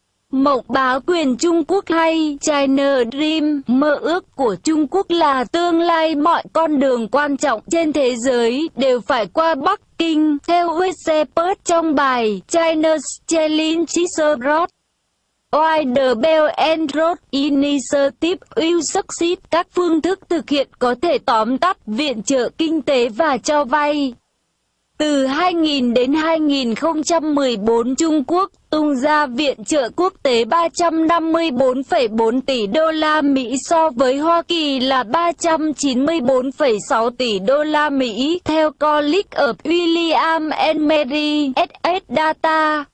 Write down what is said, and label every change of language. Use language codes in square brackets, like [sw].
[vi] Mộng bá quyền Trung Quốc hay China Dream, mơ ước của Trung Quốc là tương lai mọi con đường quan trọng trên thế giới đều phải qua Bắc Kinh, theo Wikipedia trong bài China's Challenge is Abroad. [en] Why the Belt and Road Initiative will succeed? [vi] Các phương thức thực hiện có thể tóm tắt viện trợ kinh tế và cho vay. Từ 2000 đến 2014, Trung Quốc tung ra viện trợ quốc tế 354,4 tỷ đô la Mỹ so với Hoa Kỳ là 394,6 tỷ đô la Mỹ theo College of William and Mary SS Data.